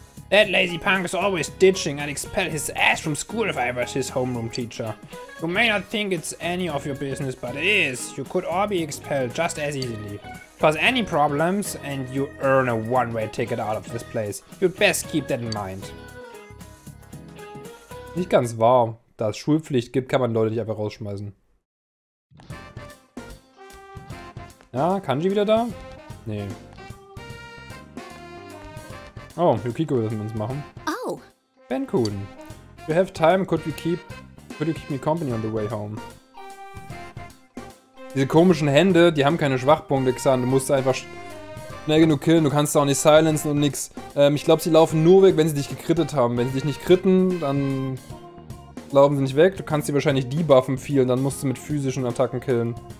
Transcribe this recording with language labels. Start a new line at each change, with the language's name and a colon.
English: That lazy punk is always ditching. I'd expel his ass from school if I was his homeroom teacher. You may not think it's any of your business, but it is. You could all be expelled just as easily. Cause any problems and you earn a one-way ticket out of this place. You'd best keep that in mind.
German: Nicht ganz wahr. Da es Schulpflicht gibt, kann man Leute nicht einfach rausschmeißen. Ja, Kanji wieder da? Nee. Oh, Yukiko will mit uns machen. Oh. Ben-kun.
English: If you have time, could you keep me company on the way home?
German: Diese komischen Hände, die haben keine Schwachpunkte, Xan. Du musst einfach schnell genug killen. Du kannst da auch nicht silenzen und nix. Ich glaube, sie laufen nur weg, wenn sie dich gekrittet haben. Wenn sie dich nicht kritten, dann laufen sie nicht weg. Du kannst sie wahrscheinlich debuffen viel und dann musst du mit physischen Attacken killen.